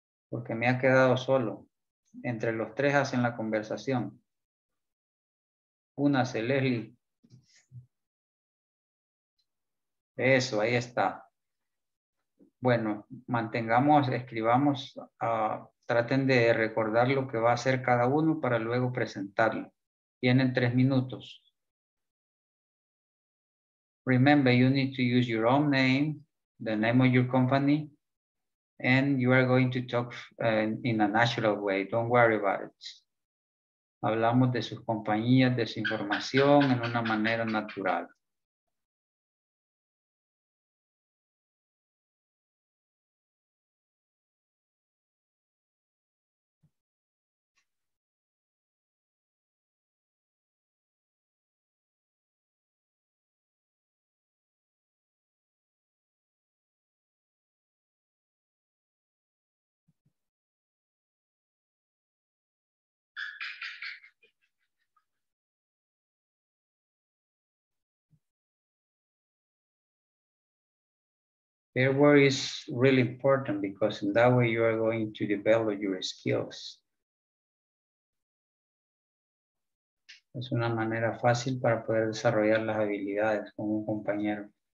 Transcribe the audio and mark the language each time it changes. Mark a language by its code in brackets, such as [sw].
[es] Porque me ha quedado solo. Entre los tres hacen la conversación. Únase, Leslie. Eso, ahí está. Bueno, mantengamos, escribamos, traten de recordar lo que va a hacer cada uno para luego presentarlo. Tienen 3 minutos. [en] Remember, you need to use your own name, the name of your company, and you are going to talk in a natural way. Don't worry about it. [es] Hablamos de sus compañías, de su información en una manera natural. [en] Their work is really important because in that way you are going to develop your skills. [es] Es una manera fácil para poder desarrollar las habilidades con un compañero.